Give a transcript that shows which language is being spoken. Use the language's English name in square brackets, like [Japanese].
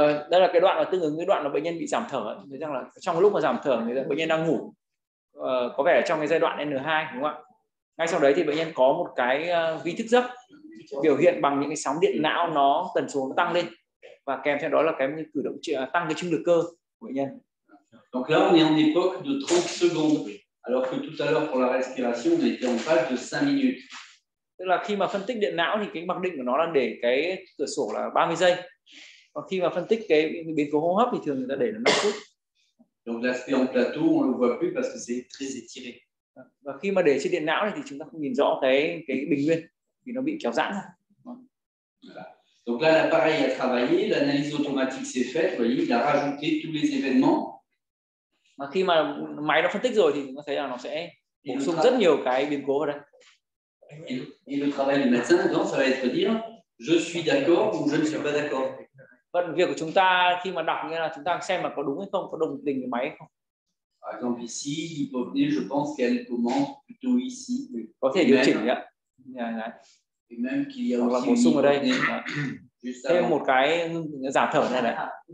[Vietnamese] Đây là cái đoạn là tương ứng cái đoạn là bệnh nhân bị giảm thở. Thấy rằng là trong lúc mà giảm thở thì bệnh nhân đang ngủ, có vẻ là trong cái giai đoạn N2 đúng không ạ? Ngay sau đấy thì bệnh nhân có một cái vi thức giấc biểu hiện bằng những cái sóng điện não nó tần số nó tăng lên và kèm theo đó là cái cử động tăng cái trung lực cơ. [French] Donc là, on est en époque de 30 secondes, alors que tout à l'heure pour la respiration, on était en phase de 5 minutes. [Vietnamese] Tức là khi mà phân tích điện não thì cái mặc định của nó là để cái cửa sổ là 30 giây. Còn khi mà phân tích cái biến cố hô hấp thì thường người ta để là 5 phút. [French] Donc l'aspect en plateau, on le voit plus parce que c'est très étiré. [Vietnamese] Và khi mà để trên điện não thì chúng ta không nhìn rõ cái bình nguyên vì nó bị kéo giãn. [French] Donc là l'appareil a travaillé, l'analyse automatique s'est faite, vous voyez, il a rajouté tous les événements. [Vietnamese] Mà khi mà máy nó phân tích rồi thì chúng ta thấy là nó sẽ bổ sung rất nhiều cái biến cố vào đây. [French] Et le travail du médecin dedans, ça va être dire je suis d'accord ou je ne suis pas d'accord. [Vietnamese] Vâng, việc của chúng ta khi mà đọc nghĩa là chúng ta xem là có đúng hay không, có đồng tình với máy hay không. [French] Par exemple ici, l'hypopnée, je pense qu'elle commence plutôt ici. [Vietnamese] Có thể điều chỉnh nhé. [French] Et même qu'il y a [Vietnamese] là bổ sung ở đây thêm một cái giảm thở này này.